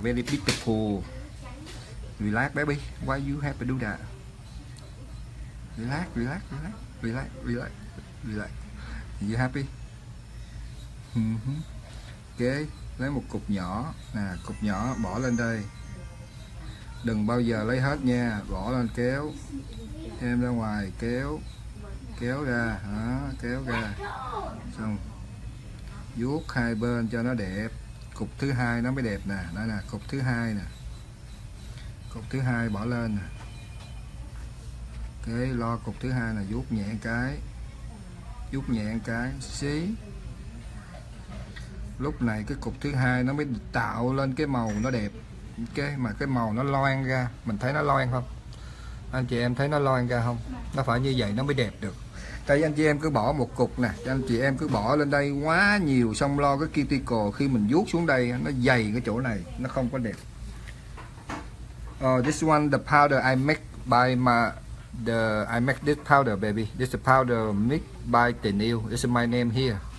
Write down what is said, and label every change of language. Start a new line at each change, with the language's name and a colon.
English: Very beautiful, relax baby, why you have to do that, relax relax relax relax relax relax, you happy?
Vietnamese: Ok, lấy một cục nhỏ nè, cục nhỏ bỏ lên đây, đừng bao giờ lấy hết nha, bỏ lên kéo thêm ra ngoài, kéo kéo ra đó, kéo ra xong vuốt hai bên cho nó đẹp, cục thứ hai nó mới đẹp nè, đây nè cục thứ hai nè, cục thứ hai bỏ lên nè. Ok, lo cục thứ hai nè, vuốt nhẹ cái, vuốt nhẹ cái xí. Lúc này cái cục thứ hai nó mới tạo lên cái màu nó đẹp. Ok, mà cái màu nó loang ra, mình thấy nó loang không, anh chị em thấy nó loang ra không, nó phải như vậy nó mới đẹp được. Tại vì anh chị em cứ bỏ một cục nè, anh chị em cứ bỏ lên đây quá nhiều, xong lo cái cuticle khi mình vuốt xuống đây nó dày cái chỗ này, nó không có đẹp.
English: This one the powder I make by my the I make this powder baby, this is the powder made by Tenil, this is my name here.